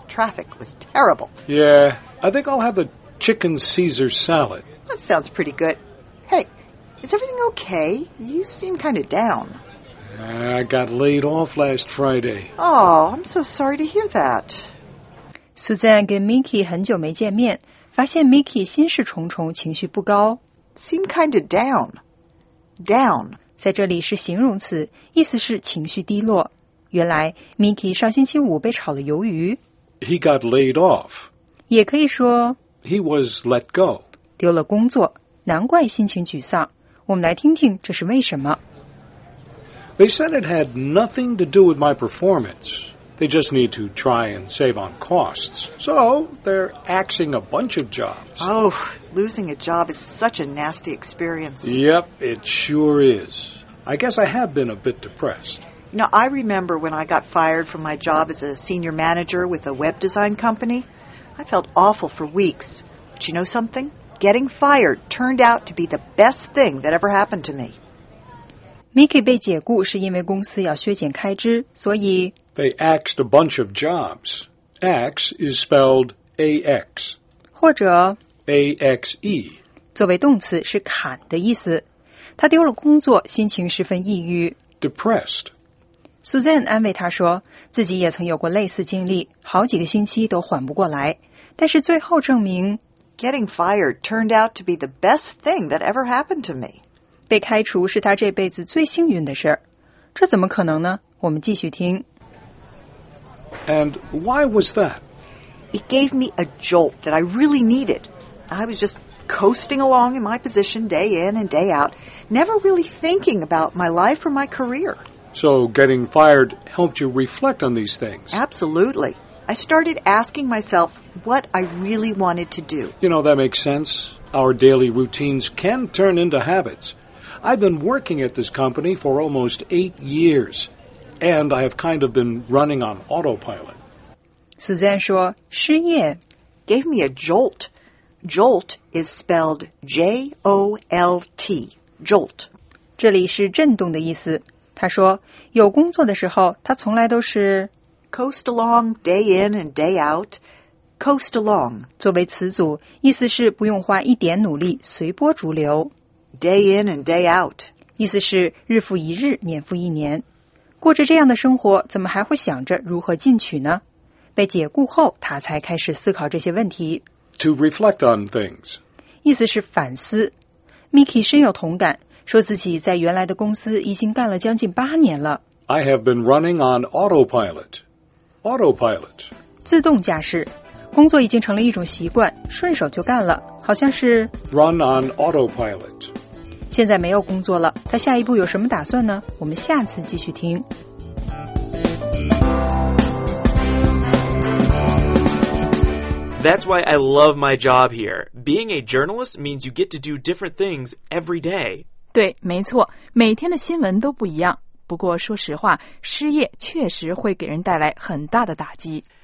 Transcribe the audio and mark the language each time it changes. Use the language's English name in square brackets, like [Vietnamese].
[English] Traffic was terrible. Yeah, I think I'll have the chicken Caesar salad. That sounds pretty good. Hey, is everything okay? You seem kind of down. I got laid off last Friday. Oh, I'm so sorry to hear that. [Chinese] Suzanne 跟 Mickey 很久没见面。发现 Mickey 心事重重，情绪不高。 [English] Seem kind of down. Down. [Chinese] 在这里是形容词，意思是情绪低落。原来 Mickey 上星期五被炒了鱿鱼。 [English] He got laid off. [Chinese] 也可以说 [English] He was let go. [Chinese] 丢了工作，难怪心情沮丧。我们来听听这是为什么。 [English] They said it had nothing to do with my performance. They just need to try and save on costs. So, they're axing a bunch of jobs. Oh, losing a job is such a nasty experience. Yep, it sure is. I guess I have been a bit depressed. You know, I remember when I got fired from my job as a senior manager with a web design company. I felt awful for weeks. But you know something? Getting fired turned out to be the best thing that ever happened to me. [Chinese] Mickey 被解雇是因为公司要削减开支，所以 [English] They axed a bunch of jobs. Axe is spelled A-X. [Chinese] 或者 [English] AXE [Chinese] 作为动词是砍的意思。他丢了工作，心情十分抑郁 [English] Depressed。 [Chinese] Suzanne 安慰他说，自己也曾有过类似经历，好几个星期都缓不过来，但是最后证明 [English] Getting fired turned out to be the best thing that ever happened to me。 [Chinese] 被开除是他这辈子最幸运的事儿。这怎么可能呢？我们继续听。 [English] And why was that? It gave me a jolt that I really needed. I was just coasting along in my position day in and day out, never really thinking about my life or my career. So getting fired helped you reflect on these things? Absolutely. I started asking myself what I really wanted to do. You know, that makes sense. Our daily routines can turn into habits. I've been working at this company for almost 8 years. And I have kind of been running on autopilot. [Chinese] Suzanne 说失业 [English] gave me a jolt. Jolt is spelled J-O-L-T. Jolt. [Chinese] 这里是震动的意思。他说有工作的时候他从来都是 [English] coast along day in and day out. Coast along. [Chinese] 作为词组意思是不用花一点努力随波逐流。 [English] Day in and day out. [Chinese] 意思是日复一日年复一年。过着这样的生活怎么还会想着如何进取呢？被解雇后他才开始思考这些问题。 [English] To reflect on things. [Chinese] 意思是反思。 Miki 深有同感，说自己在原来的公司已经干了将近八年了。 [English] I have been running on autopilot. Autopilot. [Chinese] 自动驾驶。工作已经成了一种习惯，顺手就干了，好像是 [English] Run on autopilot. [Chinese] 现在没有工作了，他下一步有什么打算呢？我们下次继续听。 [English] That's why I love my job here. Being a journalist means you get to do different things every day. [Chinese] 对，没错，每天的新闻都不一样。不过说实话，失业确实会给人带来很大的打击。